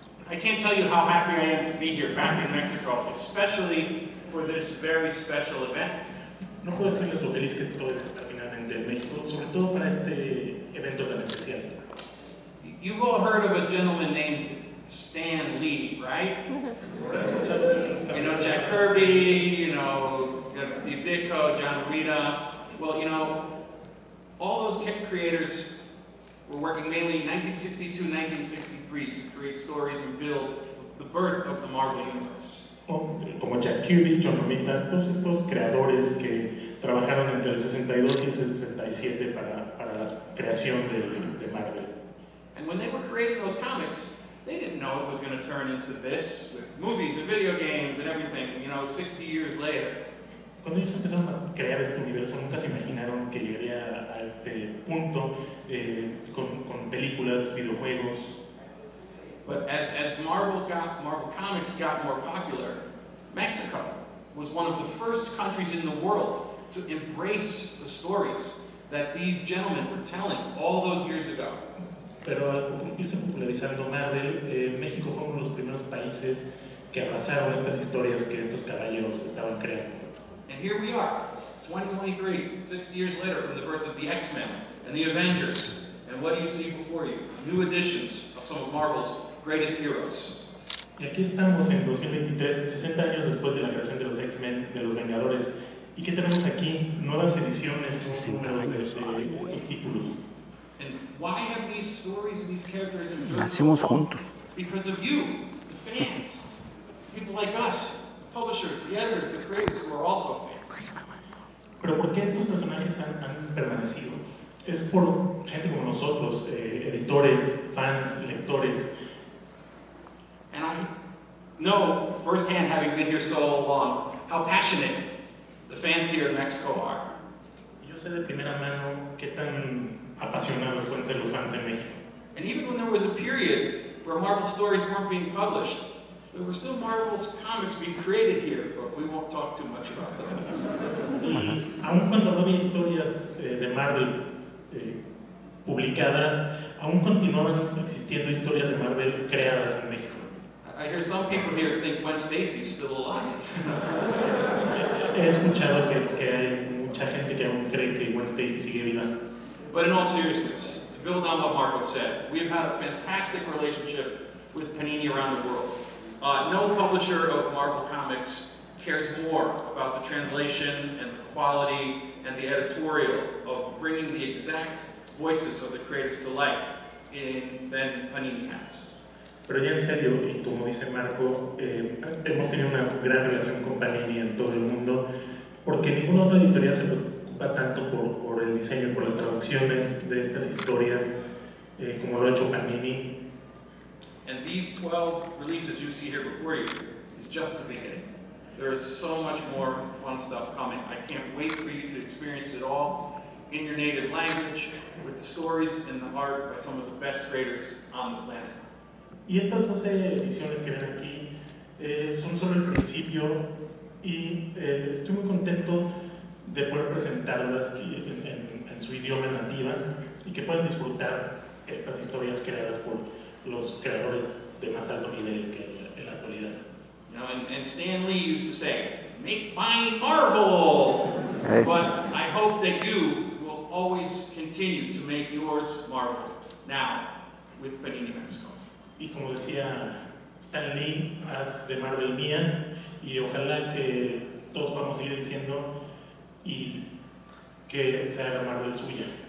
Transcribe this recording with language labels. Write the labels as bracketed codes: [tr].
[en] I can't tell you how happy I am to be here back in Mexico, especially for this very special event. [es] No puedo decirles lo feliz que estoy hasta finalmente en México, sobre todo para este evento tan especial. [en] You've all heard of a gentleman named Stan Lee, right? You know, Jack Kirby, you know, Steve Ditko, John Romita. Well, you know, all those creators were working mainly in 1962, 1963 to create stories and build the birth of the Marvel Universe. [es] Como Jack Kirby, John Romita, todos estos creadores que trabajaron entre el 62 y el 67 para la creación de Marvel. [en] And when they were creating those comics, they didn't know it was going to turn into this with movies and video games and everything, you know, 60 years later. [es] Cuando ellos empezaron a crear este universo, nunca se imaginaron que llegaría a este punto con películas, videojuegos. [en] But as Marvel Comics got more popular, Mexico was one of the first countries in the world to embrace the stories that these gentlemen were telling all those years ago. [es] Pero al irse popularizando Marvel, México fue uno de los primeros países que abrazaron estas historias que estos caballeros estaban creando. [en] And here we are, 2023, 60 years later from the birth of the X-Men and the Avengers. And what do you see before you? New editions of some of Marvel's greatest heroes. [es] Y aquí estamos en 2023, 60 años después de la creación de los X-Men, de los Vengadores. ¿Y qué tenemos aquí? Nuevas ediciones, nuevos títulos. [en] And why have these stories and these characters emerged? [es] Nacimos juntos. [en] Because of you, the fans. People like us, publishers, the editors, the creators, who are also fans. [es] Pero ¿por qué estos personajes han permanecido? Es por gente como nosotros, editores, fans, lectores. [en] And I know firsthand, having been here so long, how passionate the fans here in Mexico are. [es] Yo sé de primera mano qué tan apasionados pueden ser los fans en México. [en] And even when there was a period where Marvel stories weren't being published, there were still Marvel's comics being created here, but we won't talk too much about those. [es] Aun cuando había historias de Marvel publicadas, aún continuaban existiendo historias de Marvel creadas en México. [en] I hear some people here think Gwen Stacy's still alive. [es] He escuchado que hay mucha mucha gente que aún cree que Gwen Stacy sigue viva. [en] But in all seriousness, to build on what Marco said, we have had a fantastic relationship with Panini around the world. No publisher of Marvel Comics cares more about the translation and the quality and the editorial of bringing the exact voices of the creators to life than Panini has. [es] Pero ya en serio, y como dice Marco, hemos tenido una gran relación con Panini en todo el mundo, porque ninguna otra editorial se preocupa tanto por el diseño y por las traducciones de estas historias como lo ha hecho Panini. [en] And these 12 releases you see here before you is just the beginning. There is so much more fun stuff coming. I can't wait for you to experience it all in your native language with the stories and the art by some of the best creators on the planet. [es] Y estas 12 ediciones que ven aquí son solo el principio y estoy muy contento de poder presentarlas en su idioma nativa y que puedan disfrutar estas historias creadas por los creadores de más alto nivel que en la actualidad. [en] Now, and Stan Lee used to say, make mine Marvel! But I hope that you will always continue to make yours Marvel. Now, with Panini Mexico. [es] Y como decía Stan Lee, haz de Marvel mía, y ojalá que todos podamos seguir diciendo y que sea la Marvel suya.